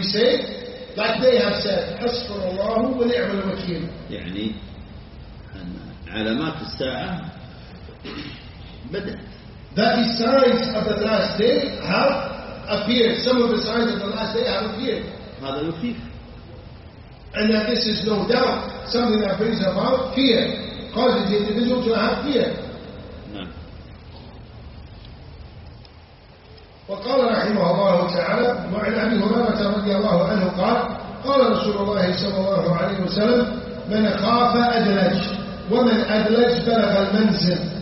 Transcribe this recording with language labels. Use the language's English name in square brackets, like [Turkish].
[English] We say like they have said [Arabic] حسبنا الله ونعم الوكيل. يعني أن علامات الساعة بدأت. [English] That the signs of the last day have appeared. Some of the signs of the last day have appeared. [Arabic] هذا يخيف. [English] And that this is no doubt something that brings about fear, causes the individual to have fear. [Arabic] وقال رحمه الله تعالى وعن أبي هريرة رضي الله عنه قال قال رسول الله صلى الله عليه وسلم من خاف أدلج ومن أدلج بلغ المنزل.